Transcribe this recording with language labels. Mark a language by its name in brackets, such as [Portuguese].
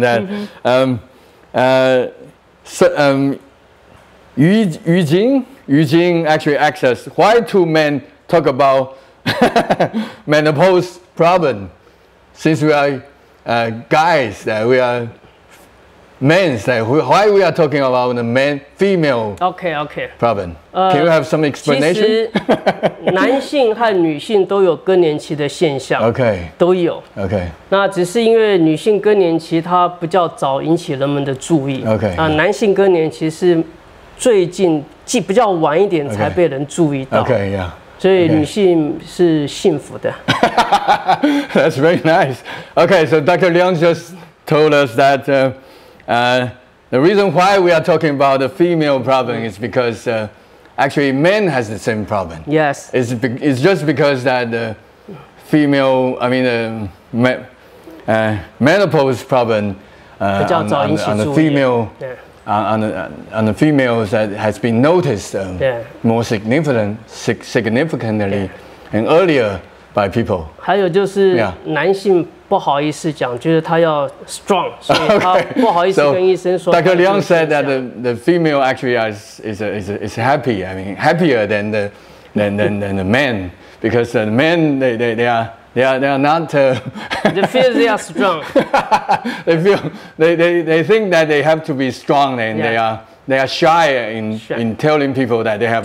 [English] That Yu Jing actually asked us, why two men talk about menopause problem? Since we are guys, that we are. Men, why we are talking about the men, female problem? Can you have some explanation? [Chinese] 男性和女性都有更年期的现象, [English] okay. [Chinese] 都有, [English] okay. [Chinese] 那只是因为女性更年期它比较早引起人们的注意, [English] okay. [Chinese] 男性更年期是最近, 比较晚一点才被人注意到, [English] okay. Okay, yeah. [Chinese] 所以女性是幸福的, [English] okay. That's very nice. Okay, so Dr. Liang just told us that the reason why we are talking about the female problem is because actually men has the same problem. Yes. It's just because that the female, I mean, menopause problem on the female, on the females that has been noticed more significantly and earlier by people. [Chinese] 还有就是 男性 不好意思讲，就是他要 strong， 所以他不好意思跟医生说。 [English] Dr. Liang said that the female actually is happy. I mean, happier than the men, because the men they are not. They feel they are strong. they think that they have to be strong, and they are shy in telling people that they have